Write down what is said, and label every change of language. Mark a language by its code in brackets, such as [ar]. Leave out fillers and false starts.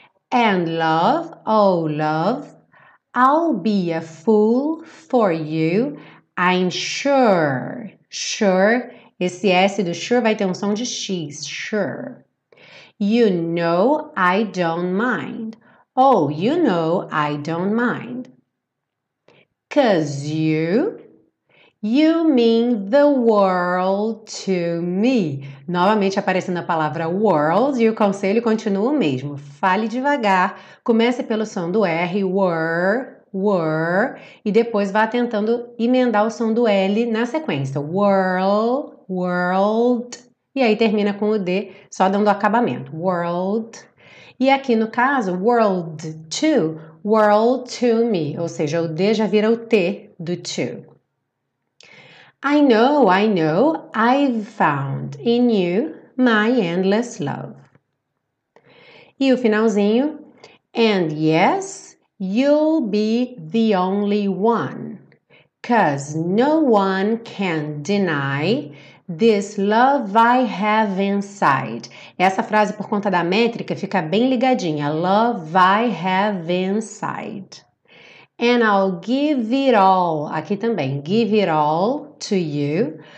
[en] And love, oh love, I'll be a fool for you, I'm sure, sure, [pt] esse S do sure vai ter um som de X, [en] sure. You know I don't mind. Oh, you know, I don't mind. 'Cause you mean the world to me. [pt] Novamente aparecendo a palavra world e o conselho continua o mesmo. Fale devagar, comece pelo som do R, were, e depois vá tentando emendar o som do L na sequência. World, e aí termina com o D, só dando acabamento. World. E aqui no caso, [en] world to me, [pt] ou seja, o D já vira o T do to. [en] I know, I've found in you my endless love. [pt] E o finalzinho, [en] and yes, you'll be the only one, 'cause no one can deny this love I have inside. [pt] Essa frase, por conta da métrica, fica bem ligadinha. [en] Love I have inside. And I'll give it all, [pt] aqui também, [en] give it all to you.